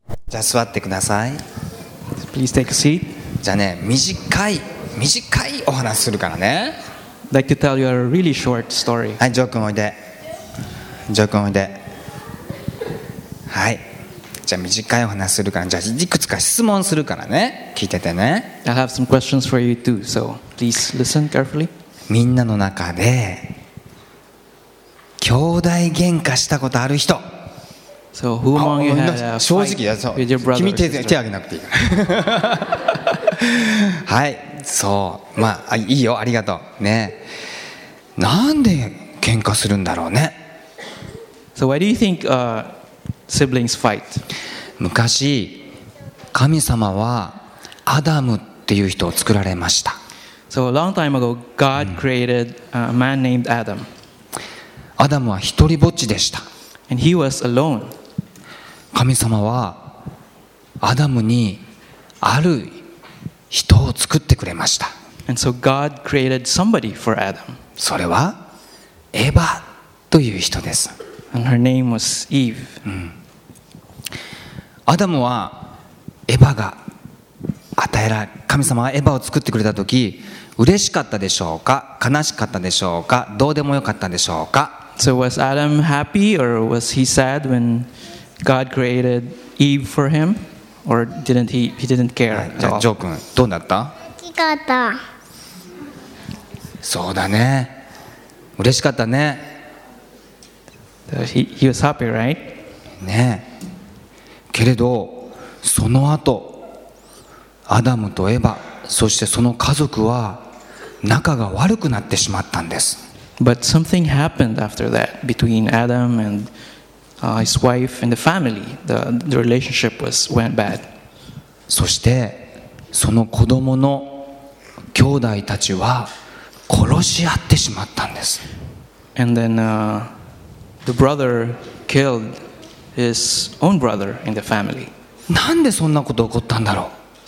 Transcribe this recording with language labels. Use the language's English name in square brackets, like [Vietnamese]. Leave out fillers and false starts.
[Japanese] じゃあ座ってください。 [English] Please take a seat。 [Japanese] じゃあね、短いお話するからね。 [English] I'd like to tell you a really short story。 [Japanese] はい、ジョー君おいで、ジョー君おいで。はい、じゃあ短いお話するから、じゃあいくつか質問するからね、聞いててね。 [English] I have some questions for you too, so please listen carefully。 [Japanese] みんなの中で兄弟喧嘩したことある人、 [English] So, who among you had a fight [Japanese] 正直だ、そう、君手挙げなくていいから。はい、そう、まあいいよ、ありがとうね。なんで喧嘩するんだろうね。 [English] So why do you think、siblings fight? [Japanese] 昔神様はアダムっていう人を作られました。 [English] So a long time ago God created a man named Adam。 [Japanese] アダムは一人ぼっちでした。 [English] And he was alone。 [Japanese] 神様はアダムにある人を作ってくれました。 [English] And so God created somebody for Adam. [Japanese] それはエヴァという人です。 [English] And her name was Eve. [Japanese] アダムはエヴァが与えられ、神様はエヴァを作ってくれたとき、嬉しかったでしょうか、悲しかったでしょうか、どうでもよかったでしょうか。 [English] So was Adam happy or was he sad whenGod created Eve for him, or didn't he? He didn't care. [Japanese] じゃあジョー君どうなった？嬉しかった。そうだね。嬉しかったね。 [English] He was happy, right? [Japanese] ね。けれどその後、アダムとエヴァ、そしてその家族は仲が悪くなってしまったんです。 [English] But something happened after that between Adam andhis wife and the family, the relationship was went bad. [Japanese] そしてその子供の兄弟たちは殺し合ってしまったんです。 [English] And then the brother killed his own brother in the family. [Japanese] なんでそんなこと起こったんだろう。